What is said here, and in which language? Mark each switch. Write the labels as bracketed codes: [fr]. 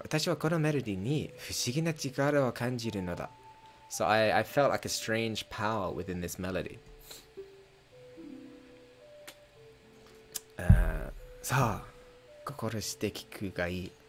[ja] 私はこのメロディに不思議な力を感じるのだ。 [en] So I felt like a strange power within this melody. [ja] さあ、心して聞くがいい。